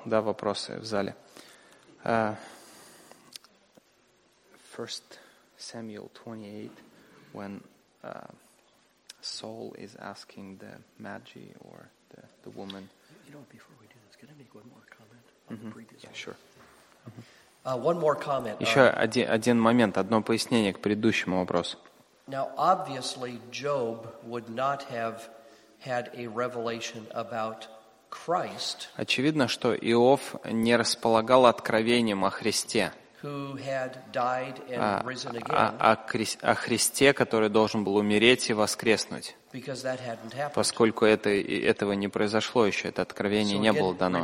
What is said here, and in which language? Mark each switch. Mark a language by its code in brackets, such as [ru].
[ru] Да, вопросы в зале. [en] First Samuel 28, when Saul is asking the magi or the woman. You know, before we do this, can I make one more comment on the previous one? Sure. One more comment. [ru] Еще один момент, одно пояснение к предыдущему вопросу. [en] Now, obviously, Job would not have had a revelation about Christ. [ru] Очевидно, что Иов не располагал откровением о Христе. [en] Who had died and risen again? [ru] О Христе, который должен был умереть и воскреснуть. [en] Because that hadn't happened. [ru] Поскольку этого не произошло еще, это откровение не было дано.